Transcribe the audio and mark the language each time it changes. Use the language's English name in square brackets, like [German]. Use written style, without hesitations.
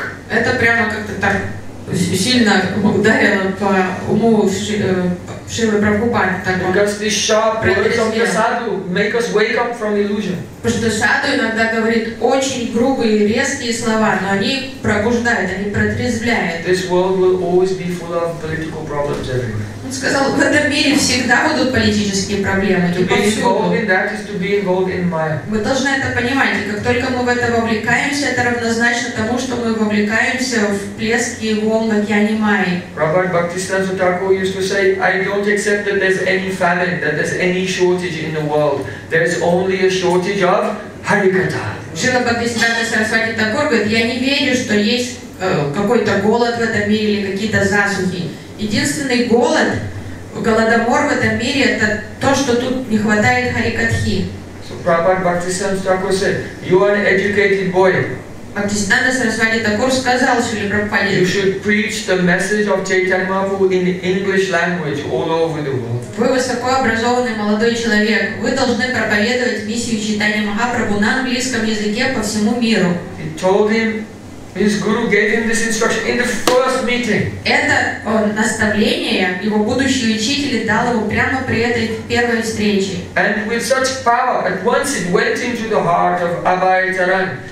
[Russian] Это прямо как-то так сильно ударило по уму Шрилы Прабхупады. [English] Because these sharp words of the sadhu make us wake up from illusion. [Russian] Потому что саду иногда говорит очень грубые и резкие слова, но они пробуждают, они протрезвляют. [English] This world will always be full of political problems everywhere. [Russian] Он сказал, в этом мире всегда будут политические проблемы. [English] To be involved in that is to be involved in Maya. [Russian] Мы должны это понимать, и как только мы в это вовлекаемся, это равнозначно тому, что мы вовлекаемся в плески и волны океана Майи. [English] Prabhupada Bhaktisiddhanta Thakur used to say, I don't accept that there's any famine, that there's any shortage in the world. There's only a shortage of Harikatha. [Russian] Шрила Бхактисиддханта Сарасвати Такур говорит, я не верю, что есть какой-то голод в этом мире или какие-то засухи. Единственный голод, голодомор в этом мире, это то, что тут не хватает харикатхи. [English] So Prabhupada Bhaktisiddhanta Thakur said, you are an educated boy, [Russian] Бхактисиддханта Сарасвати Такур сказал Шриле Прабхупаде. [English] You should preach the message of Chaitanya Mahaprabhu in English language all over the world. [Russian] Вы высокообразованный молодой человек. Вы должны проповедовать миссию Чайтанья Махапрабху на английском языке по всему миру. [English] He told him, his guru gave him this instruction in the first meeting. [Russian] Это наставление его будущий учитель дал ему прямо при этой первой встрече. [English] And with such power, at once it went into the heart of Abhayacharan.